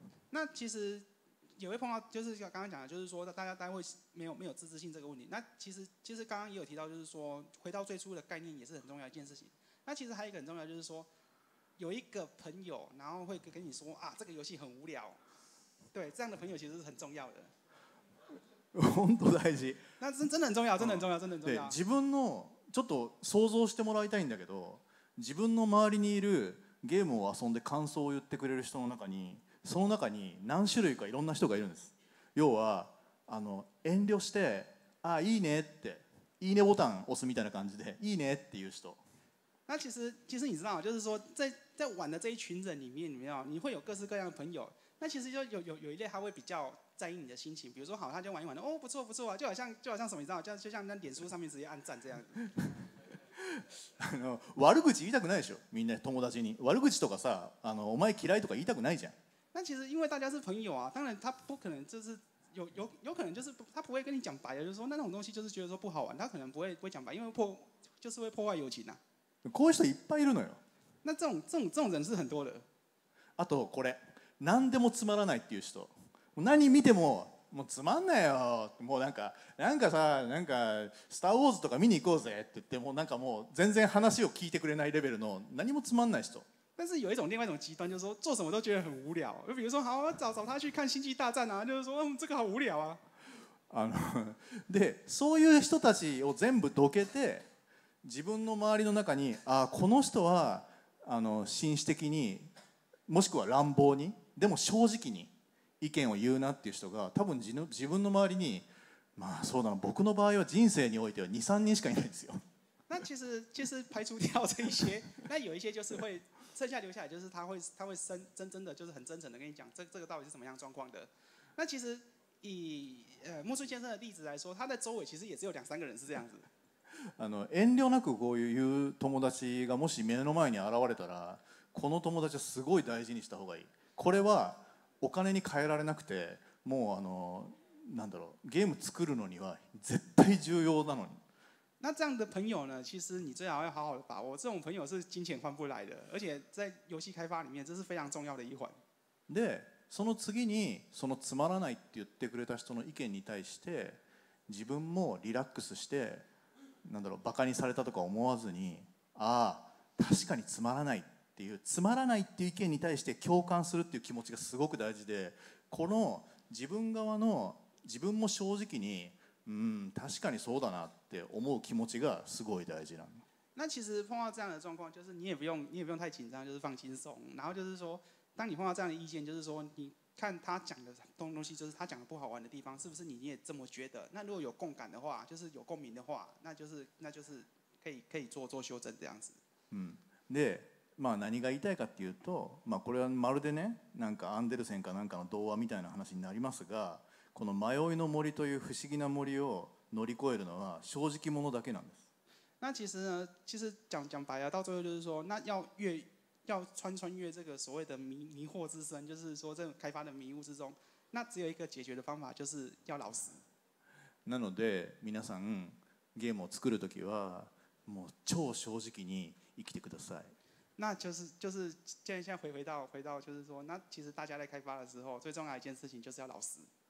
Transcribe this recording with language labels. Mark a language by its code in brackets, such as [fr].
[zh] 那其实也会碰到，就是刚刚讲的，就是说大家会没有自知性这个问题。那其实刚刚也有提到，就是说回到最初的概念也是很重要一件事情。那其实还有一个很重要，就是说有一个朋友，然后会跟你说啊，这个游戏很无聊。对，这样的朋友其实是很重要的。 [ja] 本当大事。 [zh] 那真的很重要，真的很重要，真的很重要。 [ja] 自分のちょっと想像してもらいたいんだけど、自分の周りにいるゲームを遊んで感想を言ってくれる人の中にその中に何種類かいろんな人がいるんです。要は遠慮して、あいいねっていいねボタン押すみたいな感じでいいねっていう人。 [zh] 那其实你知道，就是说在玩的这一群人里面，你知道，你会有各式各样的朋友。那其实就有一类他会比较在意你的心情，比如说好，他就玩一玩的，哦不错不错啊，就好像什么你知道，就像那脸书上面直接按赞这样子。 [ja] 悪口言いたくないでしょ、みんな友達に。悪口とかさ、お前嫌いとか言いたくないじゃん。 [zh] 那其实因为大家是朋友啊，当然他不可能就是。有可能就是他不会跟你讲白的，就是说那种东西就是觉得说不好玩，他可能不会讲白，因为就是会破坏友情呐、啊。 [ja] こういう人いっぱいいるのよ。 [zh] 那这种人是很多的。 [ja] あとこれ、何でもつまらないっていう人、何見てももうつまんないよ、もうなんかさ、なんかスターウォーズとか見に行こうぜって言って、もうなんかもう全然話を聞いてくれないレベルの何もつまんない人。 [zh] 但是有一种另外一种极端，就是说做什么都觉得很无聊。就比如说，好，找他去看《星际大战》啊，就是说，这个好无聊啊。 [ja] で、そういう人たちを全部どけて、自分の周りの中に、あ、この人は紳士的に、もしくは乱暴に、でも正直に意見を言うなっていう人が、多分自分の周りに、まあそうだな、僕の場合は人生においては2、3人しかいないんですよ。 [zh] 那其实排除掉这一些，那有一些就是会。剩下留下来就是他会真正的就是很真诚的跟你讲这个到底是什么样状况的。那其实以木村先生的例子来说，他的周围其实也只有两三个人是这样子。 [ja] 遠慮なくこういう友達がもし目の前に現れたら、この友達はすごい大事にした方がいい。これはお金に換えられなくて、もうなんだろう、ゲーム作るのには絶対重要なのに。 [zh] 那这样的朋友呢？其实你最好要好好的把握。这种朋友是金钱换不来的，而且在游戏开发里面，这是非常重要的一环。 [ja] で、その次にそのつまらないって言ってくれた人の意見に対して、自分もリラックスして、なんだろう、バカにされたとか思わずに、ああ、確かにつまらないっていう、つまらないっていう意見に対して共感するっていう気持ちがすごく大事で、この自分側の自分も正直に。確かにそうだなって思う気持ちがすごい大事なの。 [zh] 那其实碰到这样的状况，就是你也不用太紧张，就是放轻松。然后就是说，当你碰到这样的意见，就是说，你看他讲的东西，就是他讲的不好玩的地方，是不是你也这么觉得？那如果有共感的话，就是有共鸣的话，那就是可以做修正这样子。 [ja] で、まあ何が言いたいかっていうと、まあこれはまるでね、なんかアンデルセンかなんかの童話みたいな話になりますが。この迷いの森という不思議な森を乗り越えるのは正直者だけなんです。 [zh] 那其实呢，其实讲白了，到最后就是说，那要穿越这个所谓的迷惑之身，就是说这种开发的迷雾之中，那只有一个解决的方法，就是要老实。 [ja] なので皆さんゲームを作るときはもう超正直に生きてください。 [zh] 那就是现在回到就是说，那其实大家在开发的时候，最重要的一件事情就是要老实。